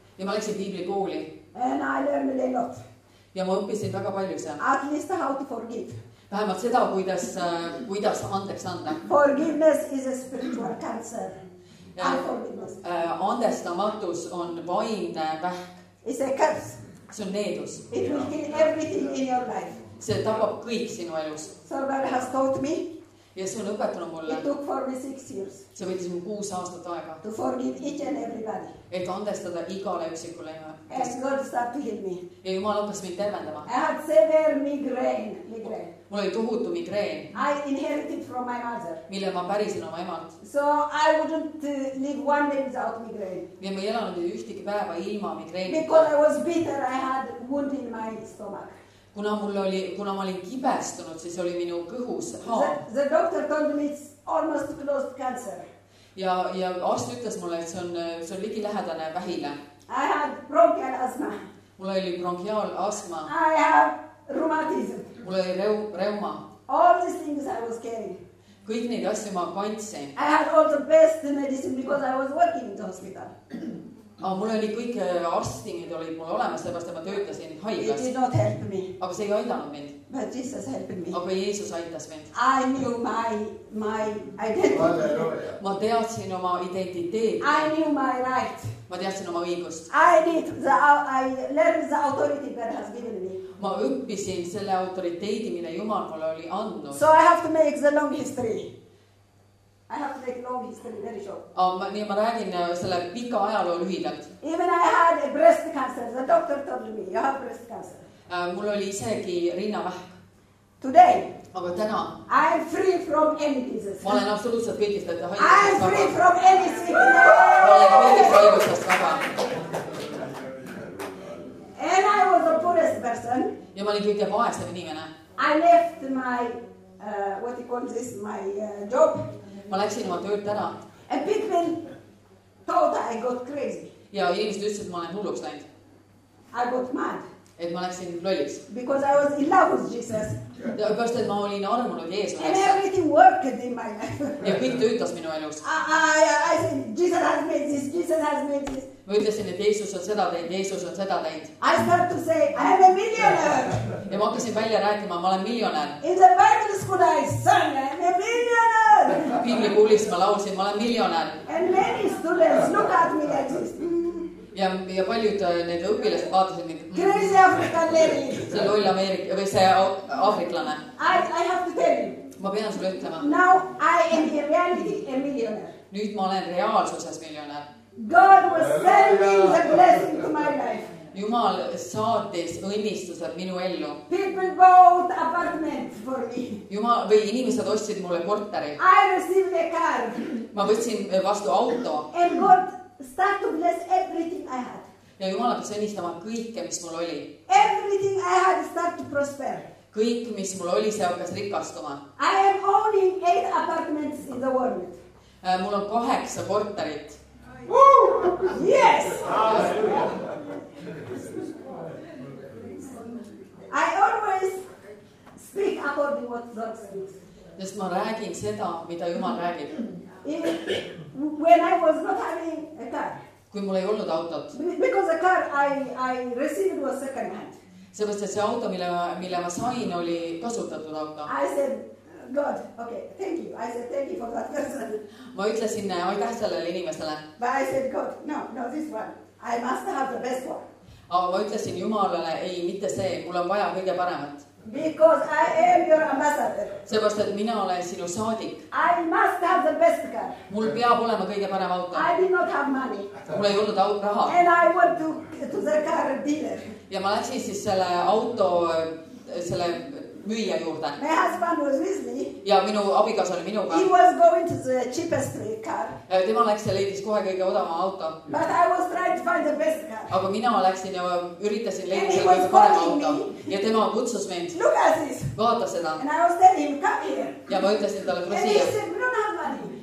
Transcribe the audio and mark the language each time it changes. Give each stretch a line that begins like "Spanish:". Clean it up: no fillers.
Estonian: Ja ma läksin Biibli kooli.
English: And I learned a lot.
Estonian: Ja ma õppisin väga palju seal.
English: At least how to forgive.
Estonian: Vähemalt seda, kuidas andeks anda.
English: Forgiveness is a spiritual cancer. Ja, unforgiveness.
Estonian: Andestamatus on vaimne vähk.
English: It's a curse.
Estonian: See on needus.
English: It will kill everything in your life.
Estonian: See tapab kõik sinu elus.
English: So God has taught me.
Estonian: Ja see on õpetanud mulle.
English: It took for me 6 years.
Estonian: See võttis mu 6 aastat aega.
English: To forgive each and everybody.
Estonian: Et andestada igale üksikule.
English: As God start to heal me.
Estonian: Ja Jumal hakkas mind tervendama.
English: I had severe migraine.
Estonian: Mul oli tohutu migreen.
English: I inherited from my mother.
Estonian: Mille ma pärisin oma emalt.
English: So I wouldn't live one day without migraine.
Estonian: Ja ma ei elanud ühtegi päeva ilma migreenit.
English: Because I was bitter, I had wound in my stomach.
Estonian: Kuna mul oli, kuna ma olin kibestunud, siis oli minu kõhus haav.
English: The doctor told me it's almost close cancer.
Estonian: Ja arst ütles mulle, et see on ligi lähedane vähile.
English: I had bronchial asthma.
Estonian: Mul oli bronchial asthma.
English: I have rheumatism.
Estonian: Mul oli reuma.
English: All these things I was carrying.
Estonian: Kõik neid asju ma kandsin.
English: I had all the best medicine because I was working in the hospital.
Estonian: Aga mul oli kõik arstingid olid mul olemas, sellepärast ma töötasin haiglas.
English: It did not help me.
Estonian: Aga see ei aidanud mind.
English: But Jesus helped me.
Estonian: Aga Jeesus aitas mind.
English: I knew my identity.
Estonian: Ma teadsin oma identiteet.
English: I knew my right.
Estonian: Ma teadsin oma õigust.
English: I learned the authority that has given me.
Estonian: Ma õppisin selle autoriteedi, mille Jumal mulle oli andnud.
English: So I have to make the long history. I have to make long history very short.
Estonian: Nii ma räägin selle pika ajaloo lühidalt.
English: Even I had a breast cancer, the doctor told me, you have breast cancer.
Estonian: Mul oli isegi rinnavähk.
English: Today.
Estonian: Aga täna.
English: I am free from any disease.
Estonian: Ma olen absoluutselt kõikist, et haigust.
English: I am free from any sickness.
Estonian: Ma olen kõikist haigustast väga.
English: And I was the poorest person.
Estonian: Ja ma olin kõige vaesem inimene.
English: I left my, what you call this, my job.
Estonian: Ma läksin oma töölt ära.
English: And people thought I got crazy.
Estonian: Ja inimesed ütlesid, et ma olen hulluks läinud.
English: I got mad.
Estonian: Et ma läksin lolliks.
English: Because I was in love with Jesus.
Estonian: Ja pärast, et ma olin armunud Jeesusest.
English: And everything worked in my life.
Estonian: Ja kõik töötas minu elus.
English: I said, Jesus has made this, Jesus has made this.
Estonian: Ma ütlesin, et Jeesus on seda teinud, Jeesus on seda teinud.
English: I start to say, I am a millionaire.
Estonian: Ja ma hakkasin välja rääkima, ma olen miljonär.
English: In the Bible school I sang, I am a millionaire.
Estonian: Biblia kuulis, ma laulsin, ma olen miljonär.
English: And many students look at me like this.
Estonian: Ja paljud need õpilased vaatasid mind.
English: Crazy African lady.
Estonian: See loll Ameerika, või see aafriklane.
English: I have to tell you.
Estonian: Ma pean sulle ütlema.
English: Now I am in reality a millionaire.
Estonian: Nüüd ma olen reaalsuses miljonär.
English: God was sending the blessing to my life.
Estonian: Jumal saates õnnistused minu ellu.
English: People bought apartments for me.
Estonian: Jumal või inimesed ostsid mulle korteri.
English: I received a car.
Estonian: Ma võtsin vastu auto.
English: And God started to bless everything I had.
Estonian: Ja Jumal hakkas õnnistama kõike, mis mul oli.
English: Everything I had started to prosper.
Estonian: Kõik, mis mul oli, see hakkas rikastuma.
English: I am owning 8 apartments in the world.
Estonian: Mul on 8 korterit.
English: Yes. I always speak according to what God speaks.
Estonian: Sest ma räägin seda, mida Jumal räägib.
English: When I was not having a car.
Estonian: Kui mul ei olnud autot.
English: Because the car I received was second hand.
Estonian: Sest see auto, mille ma sain, oli kasutatud auto.
English: I said, God, okay, thank you. I said, thank you for that person.
Estonian: Ma ütlesin, aitäh sellele inimesele.
English: But I said, God, no, this one. I must have the best one.
Estonian: Aga ma ütlesin Jumalale, ei, mitte see, mul on vaja kõige paremat.
English: Because I am your ambassador.
Estonian: Sellepärast, et mina olen sinu saadik.
English: I must have the best car.
Estonian: Mul peab olema kõige parem auto.
English: I did not have money.
Estonian: Mul ei olnud raha.
English: And I went to the car dealer.
Estonian: Ja ma läksin siis selle auto, selle müüja juurde.
English: My husband was with me.
Estonian: Ja minu abikas oli minuga.
English: He was going to the cheapest car.
Estonian: Tema läks ja leidis kohe kõige odama auto.
English: But I was trying to find the best car.
Estonian: Aga mina läksin ja üritasin leidida kõige parem auto. Ja tema kutsus mind.
English: Look at this.
Estonian: Vaata seda.
English: And I was telling him, come here.
Estonian: Ja ma ütlesin talle, kus siia.
English: And he said, we don't have money.